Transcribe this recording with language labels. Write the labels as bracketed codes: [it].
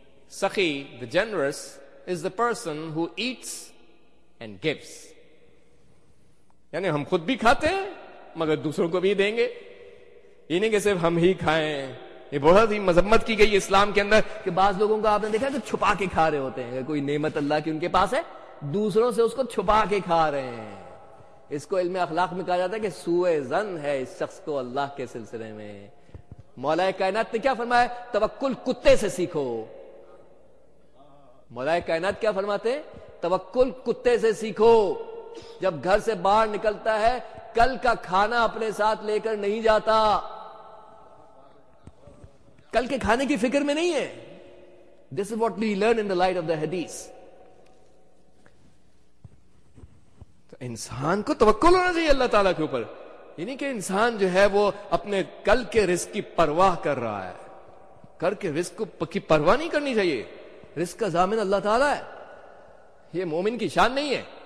[en] سخی, the generous, is the person who eats and gives. [ur] یعنی ہم خود بھی کھاتے ہیں مگر دوسروں کو بھی دیں گے, یہ نہیں کہ صرف ہم ہی کھائیں. یہ بہت ہی مذمت کی گئی اسلام کے اندر کہ بعض لوگوں کو آپ نے دیکھا کہ چھپا کے کھا رہے ہوتے ہیں, اگر کوئی نعمت اللہ کی ان کے پاس ہے دوسروں سے اس کو چھپا کے کھا رہے ہیں. اس کو علم اخلاق میں کہا جاتا ہے کہ سوء ظن ہے اس شخص کو اللہ کے سلسلے میں. مولا کائنات نے کیا فرمایا, توکل کتے سے سیکھو. مولا کائنات کیا فرماتے ہیں, توکل کتے سے سیکھو. جب گھر سے باہر نکلتا ہے کل کا کھانا اپنے ساتھ لے کر نہیں جاتا, کل کے کھانے کی فکر میں نہیں ہے. [en] This is what we learn in the light of the hadith. [ur] تو انسان کو توکل ہونا چاہیے اللہ تعالیٰ کے اوپر, یعنی کہ انسان جو ہے وہ اپنے کل کے رزق کی پرواہ کر رہا ہے. کر کے رزق کی پرواہ نہیں کرنی چاہیے, رزق کا ضامن اللہ تعالیٰ ہے, یہ مومن کی شان نہیں ہے.